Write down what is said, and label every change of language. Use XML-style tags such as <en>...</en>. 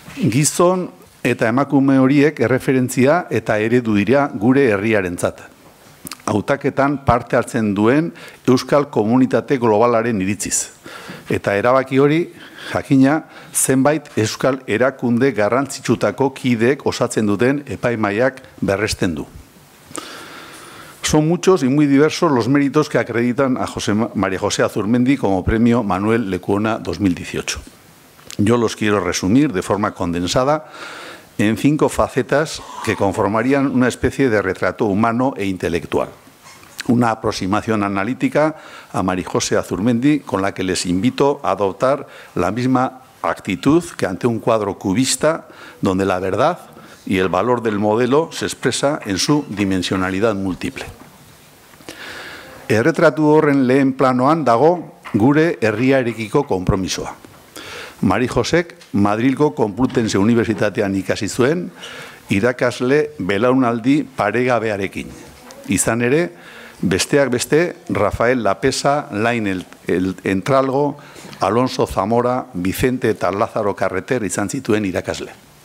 <eu>Gizon eta emakume horiek erreferentzia eta eredu dira gure herriarentzat. Hautaketan parte hartzen duen euskal komunitate globalaren iritziz. Eta erabaki hori, jakina, zenbait euskal erakunde garrantzitsutako kideek osatzen duten epaimaiak berresten du.</eu> <es>Son muchos y muy diversos los méritos que acreditan a María José Azurmendi como premio Manuel Lekuona 2018. Yo los quiero resumir de forma condensada en 5 facetas que conformarían una especie de retrato humano e intelectual. Una aproximación analítica a María José Azurmendi con la que les invito a adoptar la misma actitud que ante un cuadro cubista donde la verdad y el valor del modelo se expresa en su dimensionalidad múltiple.</es> <eu>Erretratu horren lehen planoan dago gure herriarekiko konpromisoa. Mari Josek Madrilko Konplutense Unibertsitatean ikasi zuen irakasle belaunaldi paregabearekin. Izan ere, besteak beste Rafael Lapesa, Lain Entralgo, Alonso Zamora, Vicente eta Lázaro Carreter izan zituen irakasle.</eu>